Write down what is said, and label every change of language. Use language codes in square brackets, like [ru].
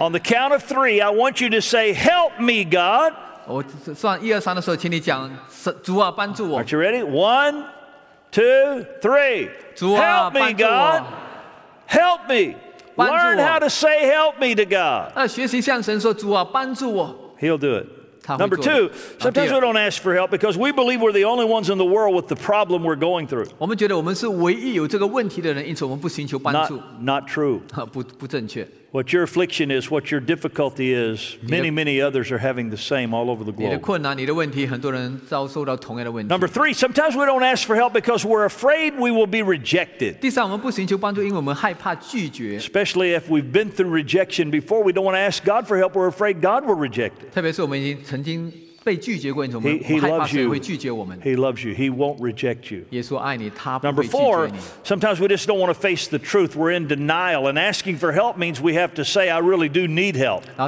[en] on the count of three, I want you to say, help me, God. [zh] 我算一二三的时候请你讲, 主啊, 帮助我。 [en] Aren't you ready? One, two, three. [zh] 主啊, [en] help me, God. Help me. [zh] 帮助我。 [en] Learn how to say help me to God. [zh] 学习向神说, 主啊, 帮助我。 [en] He'll do it. Number two, sometimes we don't ask for help because we believe we're the only ones in the world with the problem we're going through. [zh] 我们觉得我们是唯一有这个问题的人，因此我们不寻求帮助。 [en] Not true. [zh] 不正确。 [en] What your affliction is, what your difficulty is, many, many others are having the same all over the globe. [zh] 你的困难，你的问题，很多人遭受到同样的问题。 [en] Number three, sometimes we don't ask for help because we're afraid we will be rejected. [zh] 第三，我们不寻求帮助，因为我们害怕拒绝。 [en] Especially if we've been through rejection before, we don't want to ask God for help, we're afraid God will reject it. [zh] 特别是我们已经曾经被拒绝过，我们害怕神会拒绝我们。 [en] He loves you. He won't reject you. [zh] 耶稣爱你，他不会拒绝你。 [en] Number four, sometimes we just don't want to face the truth. We're in denial, and asking for help means we have to say, "I really do need help."